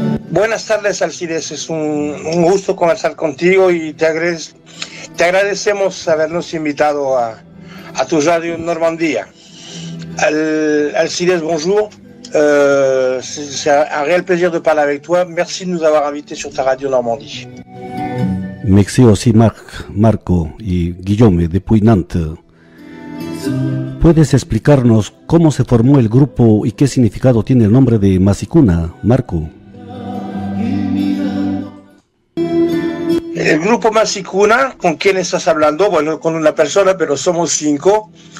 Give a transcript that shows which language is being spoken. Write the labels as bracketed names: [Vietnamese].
[Spanish] Buenas tardes, Alcides. Es un gusto conversar contigo y te agradecemos habernos invitado a tu radio en Normandía. [French] Alcides, bonjour. C'est un réel plaisir de parler avec toi. Merci de nous avoir invités sur ta radio Normandie. Merci aussi Marco y Guillaume depuis Nantes. [Spanish] ¿Puedes explicarnos cómo se formó el grupo y qué significado tiene el nombre de Masicuna, Marco? El grupo Masicuna, ¿con quién estás hablando? Bueno, con una persona, pero somos cinco.